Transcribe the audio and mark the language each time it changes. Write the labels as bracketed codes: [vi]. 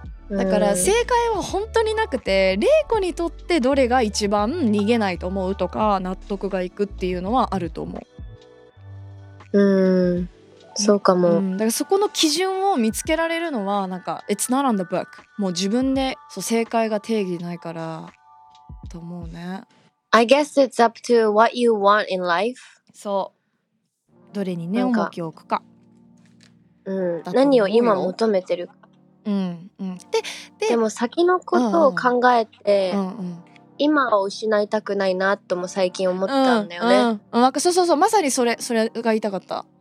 [ja] だから正解は本当になくて、レイコにとってどれが一番逃げないと思うとか納得がいくっていうのはあると思う。そうかも、うん、だからそこの基準を見つけられるのはなんか [en] It's not on the book、 [ja] もう自分でそう正解が定義ないからと思うね。 [en] I guess it's up to what you want in life. [ja] そう。どれにね、重きを置くか。うん。何を今求めてるか。うん、うん。でも先のことを考えて、うんうん、今を失いたくないなとも最近思ったんだよね。うん、うん、そうそうそう、まさにそれが言いたかった。